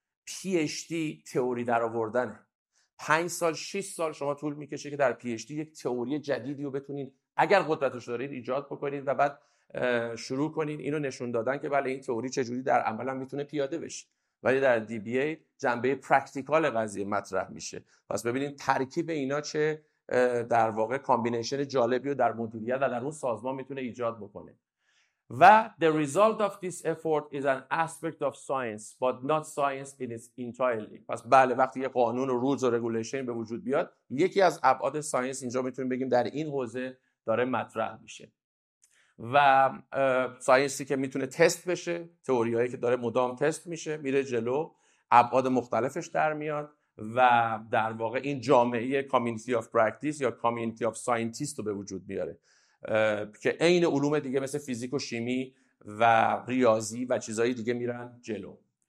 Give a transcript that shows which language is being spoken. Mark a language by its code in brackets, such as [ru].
[fa] پی اچ دی تئوری درآوردنه. 5 سال 6 سال شما طول می‌کشه که در پی اچ دی یک تئوری جدیدی رو بتونید اگر قدرتش دارید ایجاد بکنید و بعد شروع کنین اینو نشون دادن که بله این تئوری چجوری در عمل هم میتونه پیاده بشه. ولی در دی بی ای جنبه پرکتیکال قضیه مطرح میشه. پس ببینید ترکیب اینا چه در واقع کامبینیشن جالبی رو در مدیریت و در اون سازمان میتونه ایجاد بکنه. [en] و the result of this effort is an aspect of science but not science in its entirety. [fa] پس بله وقتی یه قانون و rules و regulation به وجود بیاد، یکی از ابعاد ساینس اینجا میتونیم بگیم در این حوزه داره مطرح میشه و ساینسی که میتونه تست بشه، تئوریایی که داره مدام تست میشه، میره جلو، ابعاد مختلفش در میاد و در واقع این جامعه کامیونیتی آف پرکتیس یا کامیونیتی آف ساینتیست رو به وجود میاره که این علوم دیگه مثل فیزیک و شیمی و ریاضی و چیزهای دیگه میرن جلو.